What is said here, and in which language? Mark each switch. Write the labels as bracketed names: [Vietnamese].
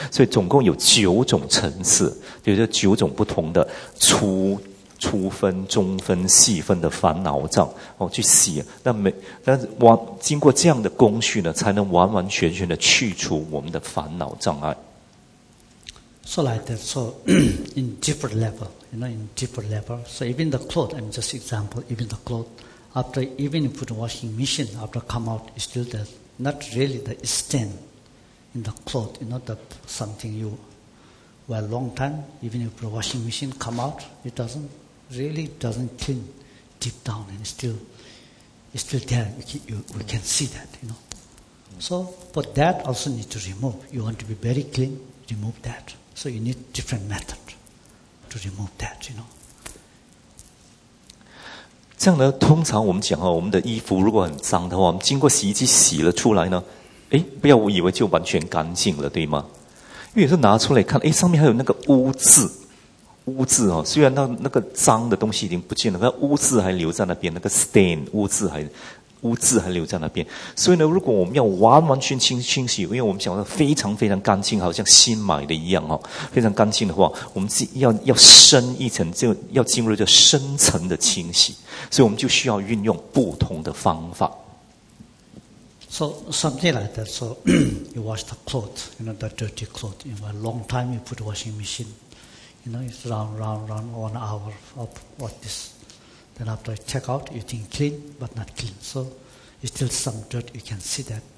[Chinese] 所以总共有九种层次，比如说九种不同的粗分、中分、细分的烦恼障，哦，去洗。那没，但是完经过这样的工序呢，才能完完全全的去除我们的烦恼障碍。 [English] So like that, so in different level, you know, in different level. So even the cloth, I mean, just example, even the cloth, after even you put washing machine, after come out, it's still that not really the stain in the cloth. You know, that something you wear long time, even if the washing machine come out, it doesn't clean deep down, and it's still there. We can see that, you know. So, but that also need to remove. You want to be very clean, remove that. So you need different method to remove that, you know. [Chinese] 这样呢，通常我们讲啊，我们的衣服如果很脏的话，我们经过洗衣机洗了出来呢，哎，不要以为就完全干净了，对吗？因为有时候拿出来看，哎，上面还有那个污渍，污渍哦，虽然那个脏的东西已经不见了，但污渍还留在那边，那个 stain 污渍还留在那边。所以呢，如果我们要完完全清洗，因为我们想要非常非常干净，好像新买的一样哦，非常干净的话，我们要深一层，就要进入这深层的清洗。所以我们就需要运用不同的方法。 [English] So something like that. So you wash the clothes, you know, the dirty clothes. You know, a long time you put washing machine. You know, it's round 1 hour of what this. Then after you check out, you think clean, but not clean. So it's still some dirt, you can see that.